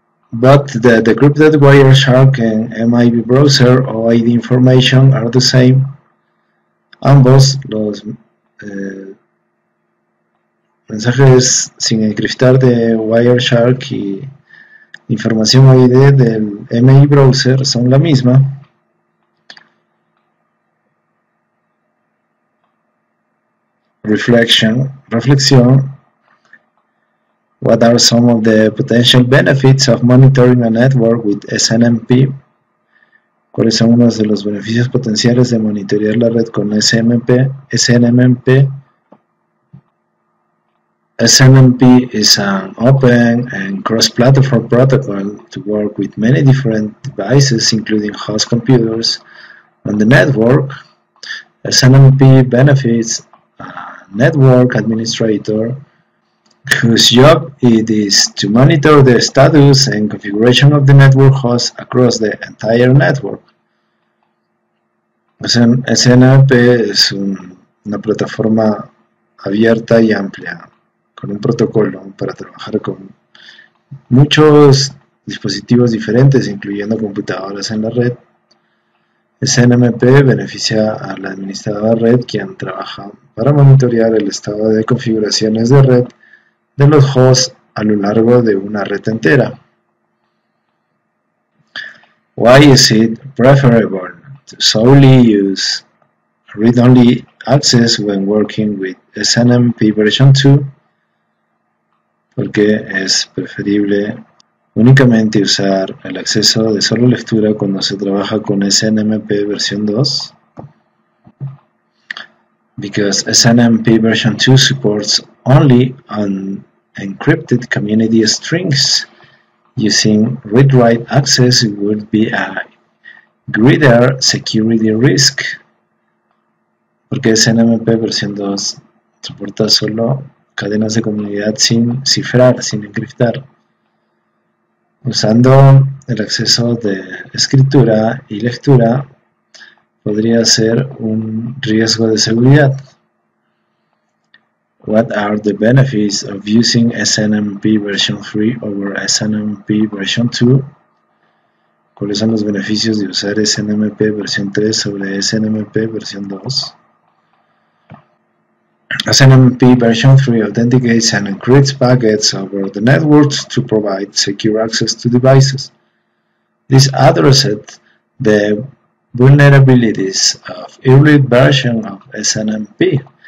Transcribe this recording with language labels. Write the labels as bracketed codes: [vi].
[en] But the decrypted Wireshark and MIB browser OID information are the same. [es] Ambos los mensajes sin encriptar de Wireshark y información OID del MIB browser son la misma. Reflexión. [en] What are some of the potential benefits of monitoring a network with SNMP? [es] ¿Cuáles son unos de los beneficios potenciales de monitorear la red con SNMP? [en] SNMP is an open and cross-platform protocol to work with many different devices, including host computers on the network. SNMP benefits network administrator whose job it is to monitor the status and configuration of the network host across the entire network. [es] SNMP es una plataforma abierta y amplia con un protocolo para trabajar con muchos dispositivos diferentes, incluyendo computadoras en la red. SNMP beneficia al administrador de red, quien trabaja para monitorear el estado de configuraciones de red de los hosts a lo largo de una red entera. [en] Why is it preferable to solely use read-only access when working with SNMP version 2? [es] ¿Por qué es preferible únicamente usar el acceso de solo lectura cuando se trabaja con SNMP versión 2? [en] Because SNMP version 2 supports only unencrypted community strings, using read-write access would be a greater security risk. [es] Porque SNMP versión 2 soporta solo cadenas de comunidad sin cifrar, sin encriptar. Usando el acceso de escritura y lectura podría ser un riesgo de seguridad. [en] What are the benefits of using SNMP version 3 over SNMP version 2? [es] ¿Cuáles son los beneficios de usar SNMP versión 3 sobre SNMP versión 2? [en] SNMP version 3 authenticates and encrypts packets over the network to provide secure access to devices. This addresses the vulnerabilities of early version of SNMP.